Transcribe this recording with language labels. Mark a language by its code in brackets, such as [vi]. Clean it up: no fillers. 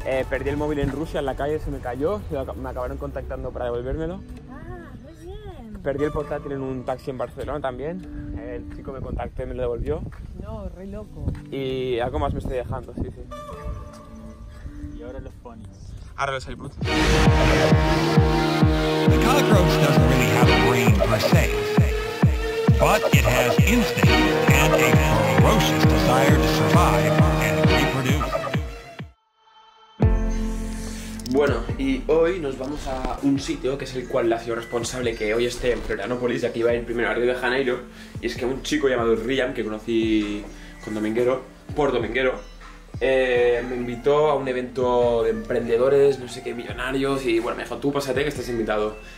[es] Perdí el móvil en Rusia, en la calle se me cayó, me acabaron contactando para devolvérmelo. Perdí el portátil en un taxi en Barcelona también. el chico me contactó y me lo devolvió. No, re loco. Y algo más me estoy dejando, sí, sí. Y ahora los ponis. Ahora los hay brutos. [en] The cockroach doesn't really have a brain per se, but it has instinct and a ferocious desire to survive and reproduce. [es] Bueno, y hoy nos vamos a un sitio que es el cual la ciudad responsable que hoy esté en Florianópolis, ya que iba a ir primero a Río de Janeiro, y es que un chico llamado Ryan, que conocí con Dominguero, por Dominguero, me invitó a un evento de emprendedores, no sé qué, millonarios, y bueno, me dijo, tú pásate que estás invitado.